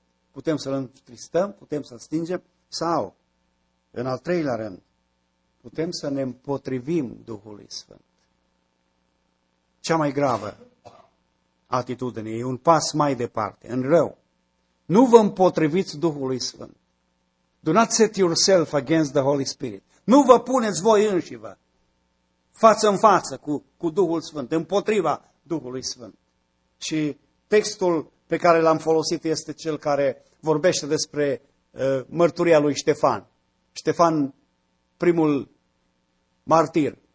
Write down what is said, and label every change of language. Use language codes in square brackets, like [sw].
[ro] Putem să-l întristăm, putem să-l stingem sau, în al treilea rând, putem să ne împotrivim Duhului Sfânt. Cea mai gravă atitudine, e un pas mai departe, în rău. Nu vă împotriviți Duhului Sfânt. [en] Do not set yourself against the Holy Spirit. [ro] Nu vă puneți voi înșivă față în față cu Duhul Sfânt, împotriva Duhului Sfânt. Și textul pe care l-am folosit este cel care vorbește despre mărturia lui Ștefan. Ștefan, primul martir.